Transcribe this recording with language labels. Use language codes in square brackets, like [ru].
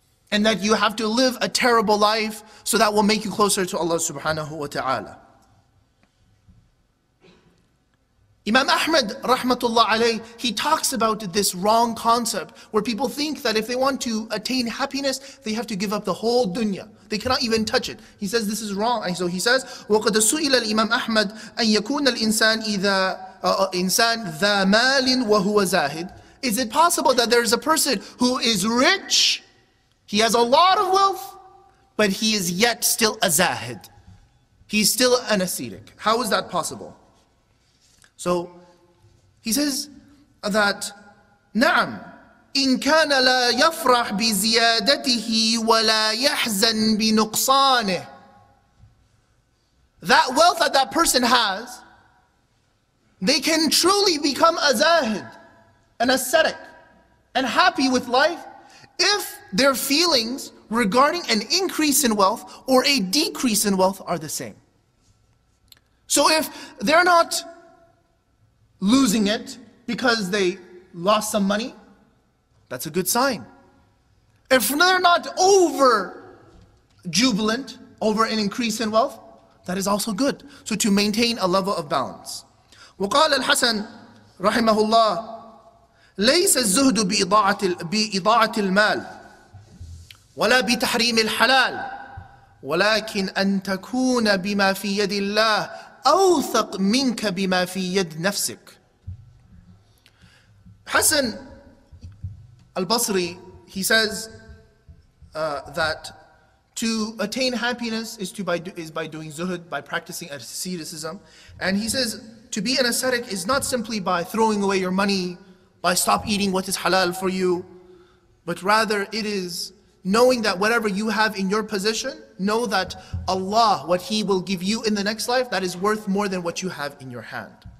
[en] And that you have to live a terrible life so that will make you closer to Allah subhanahu wa ta'ala. Imam Ahmad rahmatullah alayh, he talks about this wrong concept where people think that if they want to attain happiness, they have to give up the whole dunya. They cannot even touch it. He says this is wrong. And so he says, [ar] وَقَدَ سُئِلَ الْإِمَامَ أَحْمَدْ أَنْ يَكُونَ الْإِنسَانِ إِذَا إِنسَانِ ذَا مَالٍ وَهُوَ زَاهِدٍ. [en] Is it possible that there is a person who is rich, he has a lot of wealth, but he is yet still a zahid? He's still an ascetic. How is that possible? So he says that, [ar] نعم إن كان لا يفرح بزيادته ولا يحزن بنقصانه. [en] That wealth that that person has, they can truly become a zahid, an ascetic, and happy with life if their feelings regarding an increase in wealth or a decrease in wealth are the same. So if they're not losing it because they lost some money, that's a good sign. If they're not over jubilant over an increase in wealth, that is also good. So to maintain a level of balance. [ar] وقال الحسن رحمه الله ليس الزهد بإضاعة المال ولا بتحريم الحلال ولكن أن تكون بما في يد الله أوثق منك بما في يد نفسك. [en] Hassan al-Basri, he says that to attain happiness is by doing zuhud, by practicing asceticism. And he says to be an ascetic is not simply by throwing away your money, by stop eating what is halal for you, but rather it is knowing that whatever you have in your possession, know that Allah, what He will give you in the next life, that is worth more than what you have in your hand.